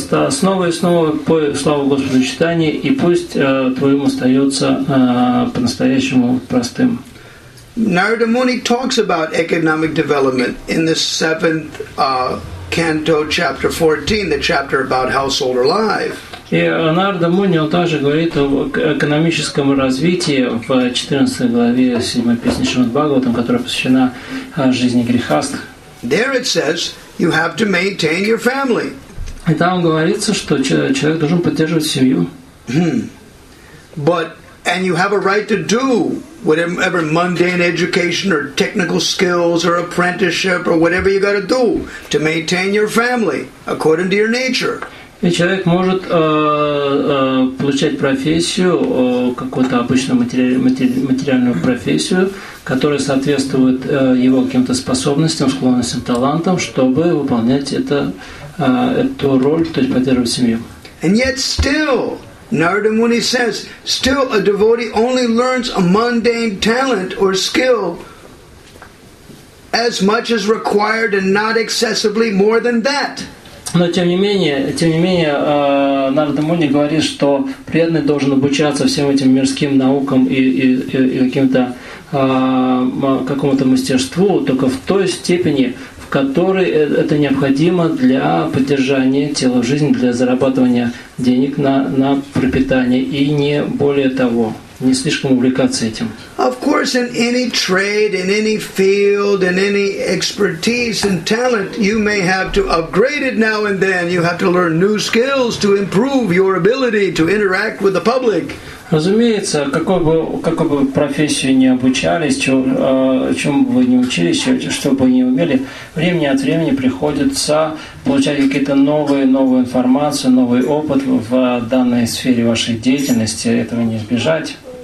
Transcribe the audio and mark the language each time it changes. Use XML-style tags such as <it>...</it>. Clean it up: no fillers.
<ru>Снова и снова пой славу Господу Читания, и пусть твоим остается по-настоящему простым.</ru> <en>Narada Muni talks about economic development in the 7th canto, chapter 14, the chapter about household life.</en> <ru>И Нарада Муни, он также говорит о экономическом развитии в 14 главе 7 песни Шримад Бхагаватам, которая посвящена жизни грехаст.</ru> <en>There it says, you have to maintain your family.</en> <ru>И там говорится, что человек должен поддерживать семью.</ru> <en>But and you have a right to do whatever mundane education or technical skills or apprenticeship or whatever you got to do to maintain your family according to your nature.</en> <ru>И человек может получать профессию, какую-то обычную материальную профессию, которая соответствует его каким-то способностям, склонностям, талантам, чтобы выполнять эту роль, то есть поддерживать семью.</ru> <en>And yet still, Narada Muni says, still a devotee only learns a mundane talent or skill as much as required and not excessively more than that.</en> <ru>Но тем не менее, Нарада Муни говорит, что преданный должен обучаться всем этим мирским наукам и каким-то какому-то мастерству только в той степени, в которой это необходимо для поддержания тела в жизни, для зарабатывания денег на пропитание, и не более того, не слишком увлекаться этим.</ru> <en>Of course, in any trade, in any field, in any expertise and talent, you may have to upgrade it now and then. You have to learn new skills to improve your ability to interact with the public.</en> <ru>Разумеется, какой бы профессию ни обучались, чем бы вы ни учились, что бы вы ни умели, время от времени приходится получать какие-то новую информацию, новый опыт в данной сфере вашей деятельности. Этого не избежать.</ru>